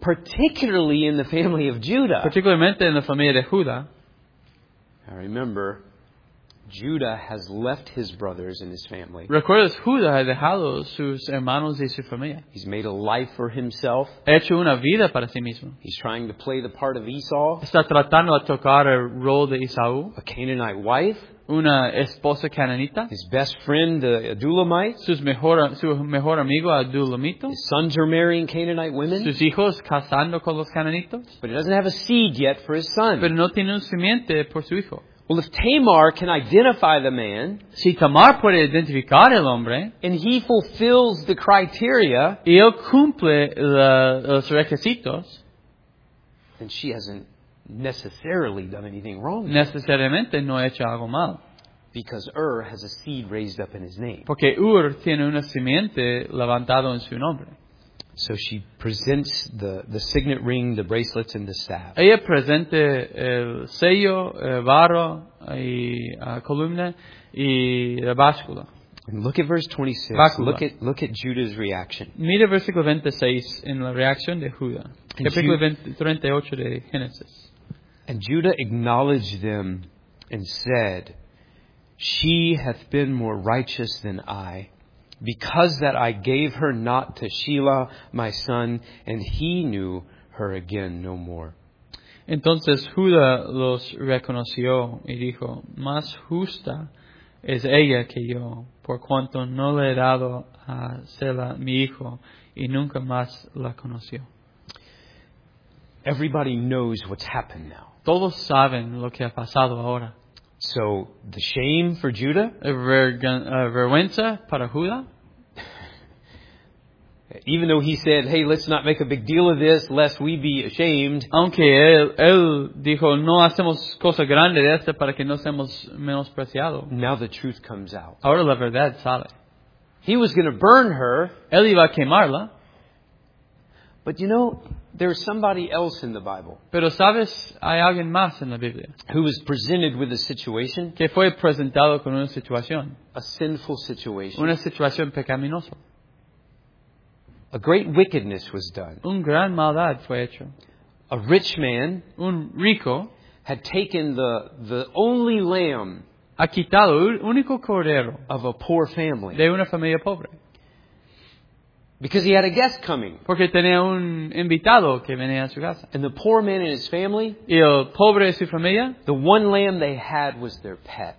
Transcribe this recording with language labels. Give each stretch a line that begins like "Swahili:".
English: Particularly in the family of Judah.
Spanish: Particularmente en la familia de Judá.
English: I remember, Judah has left his brothers and his family.
Spanish: ¿Recuerdas? Judá ha dejado sus hermanos y su familia.
English: He's made a life for himself.
Spanish: Ha hecho una vida para sí mismo.
English: He's trying to play the part of Esau.
Spanish: Está tratando de tocar el rol de Esaú.
English: A Canaanite wife.
Spanish: Una esposa cananita.
English: His best friend, the Adulamite.
Spanish: Su mejor amigo, Adulamito.
English: His sons are marrying Canaanite women.
Spanish: Sus hijos casando con los cananitos.
English: But he doesn't have a seed yet for his son.
Spanish: Pero no tiene un simiente por su hijo.
English: Well, if Tamar can identify the man,
Spanish: si Tamar puede identificar el hombre,
English: and he fulfills the criteria,
Spanish: y él cumple los requisitos,
English: then she hasn't necessarily done anything wrong.
Spanish: Necesariamente no ha hecho algo mal.
English: Because has a seed raised up in his name.
Spanish: Porque tiene una simiente levantada en su nombre.
English: So she presents the signet ring, the bracelets, and the staff.
Spanish: Ella presenta el sello, el barro, y la columna, y la báscula.
English: And look at verse 26. Báscula. Look at Judah's reaction.
Spanish: Mira versículo 26 en la reacción de Judá. Capítulo 38 de Génesis.
English: And Judah acknowledged them and said, "She hath been more righteous than I. Because that I gave her not to Shelah, my son, and he knew her again no more."
Spanish: Entonces Judá los reconoció y dijo, "Más justa es ella que yo, por cuanto no le he dado a Shelah mi hijo, y nunca más la conoció."
English: Everybody knows what's happened now.
Spanish: Todos saben lo que ha pasado ahora.
English: So the shame for Judah.
Spanish: Vergüenza para Judá.
English: Even though he said, "Hey, let's not make a big deal of this, lest we be ashamed."
Spanish: Aunque él dijo, "No hacemos cosa grande de esto para que no seamos menospreciados."
English: Now the truth comes out.
Spanish: Ahora la verdad sale.
English: He was going to burn her.
Spanish: Él iba a quemarla.
English: But you know, there's somebody else in the Bible.
Spanish: Pero sabes, hay alguien más en la Biblia.
English: Who was presented with a situation?
Spanish: Que fue presentado con una situación.
English: A sinful situation.
Spanish: Una situación pecaminosa.
English: A great wickedness was done.
Spanish: Un gran maldad fue hecho.
English: A rich man,
Spanish: un rico,
English: had taken the only lamb,
Spanish: ha quitado el único cordero,
English: of a poor family,
Spanish: de una familia pobre.
English: Because he had a guest coming.
Spanish: Porque tenía un invitado que venía a su casa.
English: And the poor man and his family,
Spanish: y el pobre y su familia,
English: the one lamb they had was their pet.